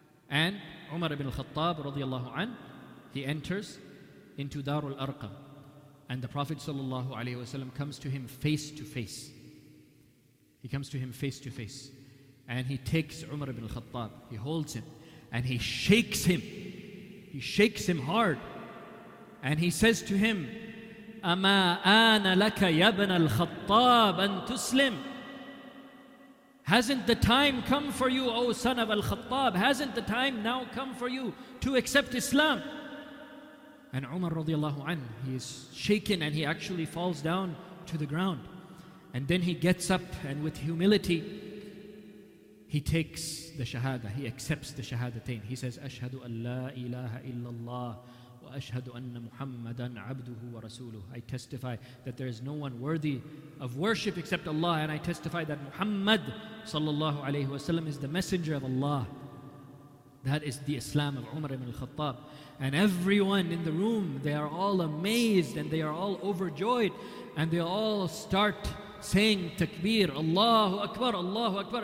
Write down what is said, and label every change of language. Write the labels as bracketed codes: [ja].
[en] And Umar ibn al-Khattab radiyallahu an, he enters into Darul Arqam. And the Prophet sallallahu alaihi wasallam comes to him face to face. He comes to him face to face. And he takes Umar ibn al-Khattab, he holds him, and he shakes him. He shakes him hard. And he says to him, [ar] أَمَا آنَ لَكَ يَبْنَ الْخَطَّابَ أَن تُسْلِمْ. [en] Hasn't the time come for you, O son of Al-Khattab? Hasn't the time now come for you to accept Islam? And Umar radiallahu anhu, he is shaken and he actually falls down to the ground. And then he gets up and with humility, he takes the shahada, he accepts the shahadatain. He says, [ar] أَشْهَدُ أَن لَا إِلَهَ إِلَّا اللَّهِ وَأَشْهَدُ أَنَّ مُحَمَّدًا عَبْدُهُ وَرَسُولُهُ. [en] I testify that there is no one worthy of worship except Allah, and I testify that Muhammad sallallahu alayhi wasallam is the messenger of Allah. That is the Islam of Umar ibn al-Khattab. And everyone in the room, they are all amazed and they are all overjoyed, and they all start saying takbir, Allahu Akbar, Allahu Akbar.